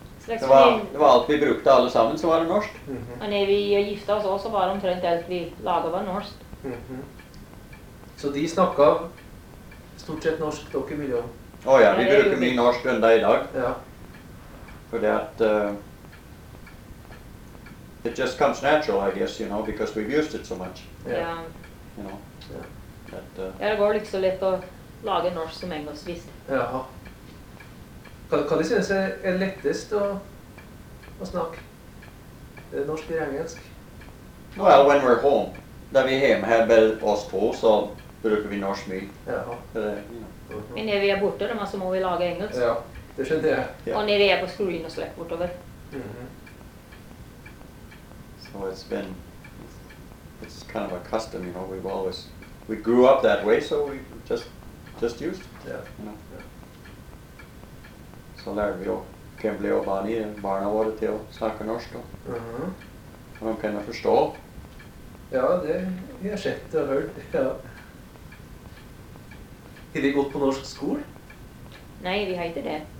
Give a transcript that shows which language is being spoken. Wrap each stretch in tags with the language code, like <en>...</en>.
<no>Det var alt vi brukte alle sammen, så var det norsk. Mm-hmm. Og når vi gifte oss også, så var det omtrent alt vi laget var norsk. Mm-hmm. Så de snakket stort sett norsk, dere ville jo? Ja, vi bruker mye norsk enda i dag. Ja. Fordi at...</no> <en>it just comes natural, I guess, you know, because we've used it so much.</en> <no>Ja.</no> <en>You know.</en> <no>Ja.</no> <en>That,</en> <no>ja, det går liksom litt å lage norsk som engelsk, visst. Jaha. Hva du synes er lettest å snakke? Er det norsk eller engelsk?</no> <en>Well, when we're home.</en> <no>Da vi er hjemme her med oss to, så bruker vi norsk mye. Ja. Ja. Men når vi er borte, så må vi lage engelsk. Ja, det skjønte jeg. Ja. Og når vi er på skolen og slett bortover. Så det har vært... Det er</no> <en>kind of a custom, you know, we've always...</en> <no>We grew up that way, so we just used it. Ja.</no> <en>You know?</en> <no>Så lærte vi å kjemble og barn i barna våre til å snakke norsk. Mm-hmm. Og de kan forstå. Ja, det vi har sett og hørt, ja. Har de gått på norsk skole? Nei, vi har ikke det.</no>